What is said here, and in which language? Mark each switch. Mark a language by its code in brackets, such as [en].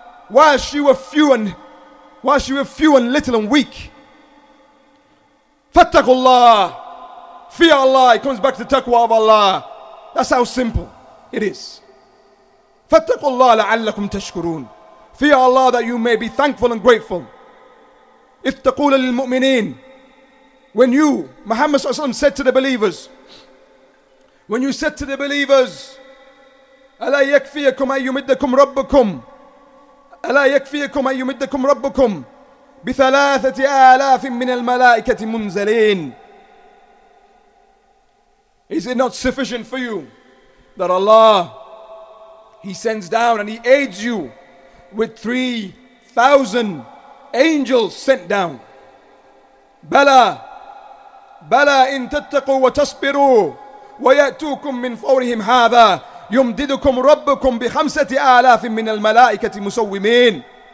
[en] Whilst you were few and little and weak. [ar] فَاتَّقُوا اللَّهُ. [en] Fear Allah. It comes back to the taqwa of Allah. That's how simple it is. [ar] فَاتَّقُوا اللَّهُ لَعَلَّكُمْ تَشْكُرُونَ. [en] Fear Allah that you may be thankful and grateful. If taqula lil mu'mineen, when you, Muhammad Sallallahu Alaihi Wasallam, said to the believers, when you said to the believers, [ar] ألا يكفيكم أن يمدكم ربكم, ألا يكفيكم أن يمدكم ربكم بثلاثة آلاف من الملائكة منزلين. [en] Is it not sufficient for you that Allah, He sends down and He aids you with 3,000 angels sent down? [ar] بَلَا إِن تَتَّقُوا وَتَصْبِرُوا وَيَأْتُوكُمْ مِنْ فَوْرِهِمْ هَذَا يُمْدِدُكُمْ رَبُّكُمْ بِخَمْسَةِ آلَافٍ مِّنَ الْمَلَائِكَةِ مُسَوِّمِينَ.